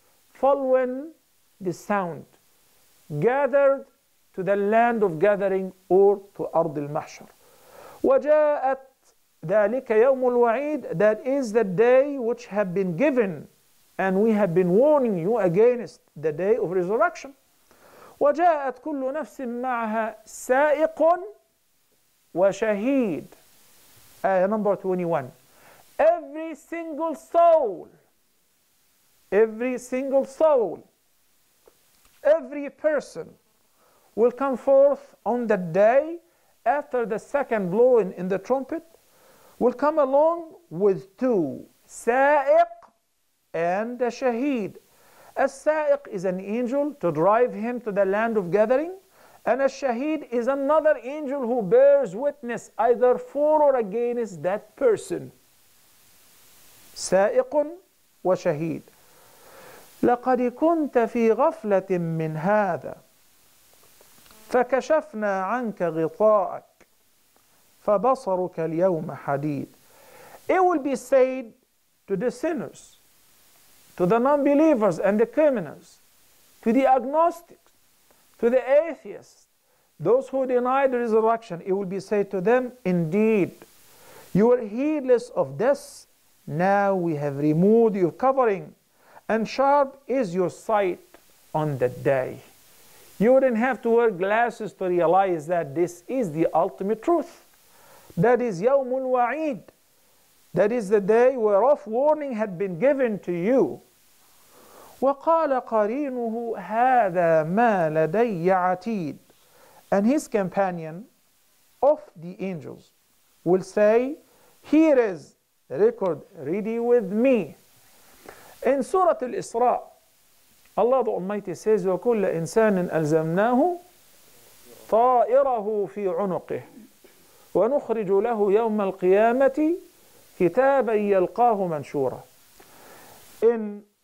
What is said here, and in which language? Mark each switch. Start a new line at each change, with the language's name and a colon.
English: Following the sound. Gathered to the land of gathering or to Ard al-Mahshar.
Arabic: وجاءت ذلك يوم الوعيد.
English: That is the day which have been given and we have been warning you against the day of resurrection.
Arabic: وجاءت كل نفس معها سائق وشهيد.
English: Number 21. Every single soul, every single soul, every person will come forth on the day after the second blowing in the trumpet, will come along with two, سائق and a شهيد. A سائق is an angel to drive him to the land of gathering, and a شهيد is another angel who bears witness either for or against that person.
Arabic: سائق وشهيد. لقد كنت في غفلة من هذا فكشفنا عنك غطاءك فبصرك اليوم حديد.
English: It will be said to the sinners, to the non-believers and the criminals, to the agnostics, to the atheists, those who deny the resurrection, it will be said to them, indeed, you are heedless of this. Now we have removed your covering and sharp is your sight on that day. You wouldn't have to wear glasses to realize that this is the ultimate truth. That is
Arabic: يوم الوعيد.
English: That is the day whereof warning had been given to you.
Arabic: وقال قرينه هذا ما لدي عتيد.
English: And his companion of the angels will say, here is the record ready with me. In Surah Al-Isra, Allah the Almighty says,
Arabic: وَكُلَّ إِنسَانٍ أَلْزَمْنَاهُ طَائِرَهُ فِي عُنُقِهِ وَنُخْرِجُ لَهُ يَوْمَ الْقِيَامَةِ كِتَابًا يَلْقَاهُ مَنْشُورًا.